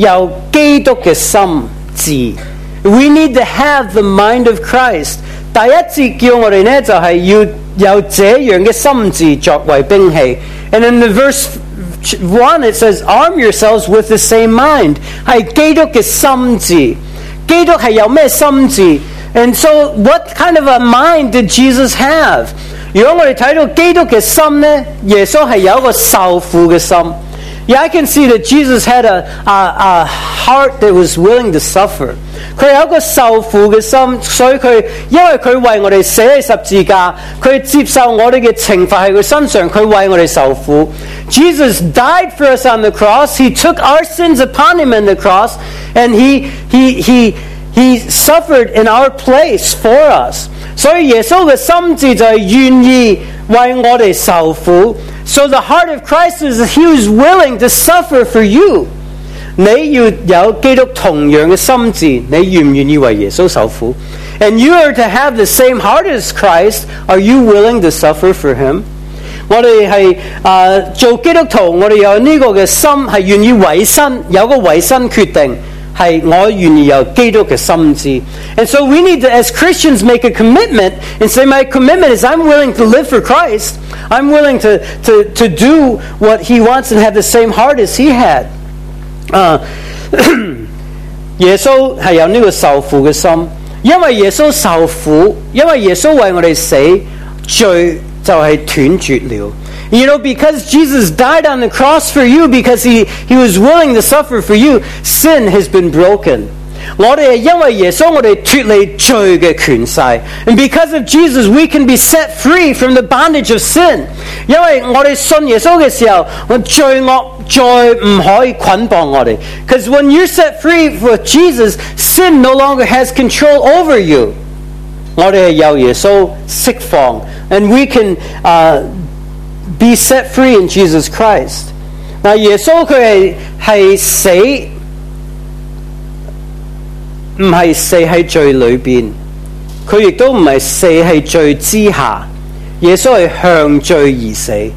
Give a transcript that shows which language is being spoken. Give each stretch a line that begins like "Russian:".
Chinese: 我们是需要有基督的心智。
English: We need to have the mind of Christ.
Chinese: 第一节叫我们呢，就是要有这样的心智作为兵器。
English: And in the verse 1 it says, arm yourselves with the same mind.
Chinese: 是基督的心智。基督是有什么心智？
English: And so what kind of a mind did Jesus have?
Chinese: 如果我们看到基督的心呢，耶稣是有一个受苦的心。
English: Yeah, I can see that Jesus had a heart that was willing to suffer.
Chinese: 他有一个受苦的心, 所以他, 因为他为我们死在十字架, 他接受我们的惩罚在他身上, 他为我们受苦。
English: Jesus died for us on the cross. He took our sins upon him on the cross, and he suffered in our place for us.
Chinese: 所以耶稣的心志就是愿意为我们受苦。
English: So the heart of Christ is that he was willing to suffer for you.
Chinese: 你要有基督同样的心志, 你愿不愿意为耶稣受苦?
English: And you are to have the same heart as Christ. Are you willing to suffer for him?
Chinese: 我们是做基督徒, 我们有这个心是愿意为身, 有个为身决定, 是我愿意有基督的心志。
English: And so we need to, as Christians, make a commitment and say, my commitment is I'm willing to live for Christ. I'm willing to do what he wants and have the same heart as he had.
Chinese: 耶稣是有这个受苦的心, 因为耶稣受苦, 因为耶稣为我们死, 罪就是断绝了。
English: You know, because Jesus died on the cross for you, because he was willing to suffer for you, sin has been broken.
Chinese: 我们是因为耶稣, 我们脱离罪的权势,
English: and because of Jesus, we can be set free from the bondage of sin.
Chinese: 因为我们信耶稣的时候, 罪不可以捆绑我们,
English: because when you're set free with Jesus, sin no longer has control over you.
Chinese: 我们是由耶稣释放,
English: and we can be set free in Jesus Christ.
Chinese: 那耶稣他是死不是死在罪里面他也不是死在罪之下耶稣是向罪而死